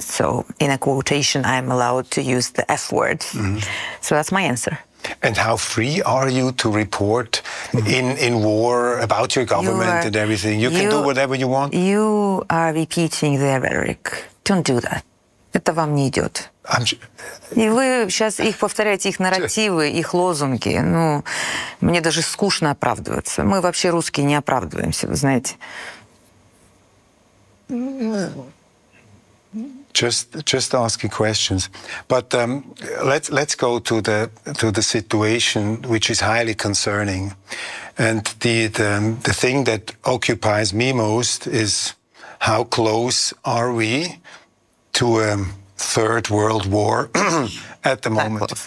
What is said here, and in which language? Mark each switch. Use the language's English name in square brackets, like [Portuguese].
[English] So in a quotation, I'm allowed to use the F word. Mm-hmm. So that's my answer. And how free are you to report in war about your government and everything? You can do whatever you want. You are repeating their rhetoric. Don't do that. [Russian] Это вам не идет. И вы сейчас их повторяете, их нарративы, их лозунги. Ну, мне даже скучно оправдываться. Мы вообще русские не оправдываемся, вы знаете. [English] Just asking questions, but let's go to the situation which is highly concerning, and the thing that occupies me most is how close are we to a third world war at the moment?